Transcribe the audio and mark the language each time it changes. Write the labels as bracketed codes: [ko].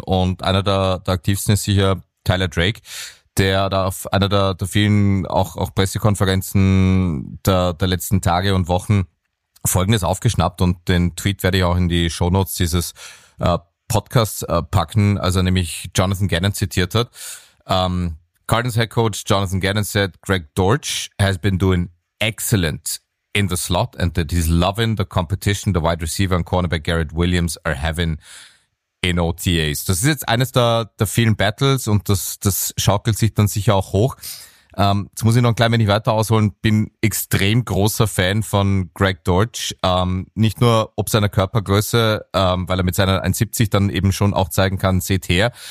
[de] Und einer der aktivsten ist sicher Tyler Drake, der da auf einer der vielen auch Pressekonferenzen der letzten Tage und Wochen Folgendes aufgeschnappt, und den Tweet werde ich auch in die Shownotes dieses Podcast packen, als er nämlich Jonathan Gannon zitiert hat. [en] Cardinals Head Coach Jonathan Gannon said, Greg Dortch has been doing excellent in the slot and that he's loving the competition the wide receiver and cornerback Garrett Williams are having in OTAs. [de] Das ist jetzt eines der vielen Battles und das schaukelt sich dann sicher auch hoch. Jetzt muss ich noch ein klein wenig weiter ausholen. Bin extrem großer Fan von Greg Dortch. Nicht nur ob seiner Körpergröße, weil er mit seiner 1,70 dann eben schon auch zeigen kann, seht her.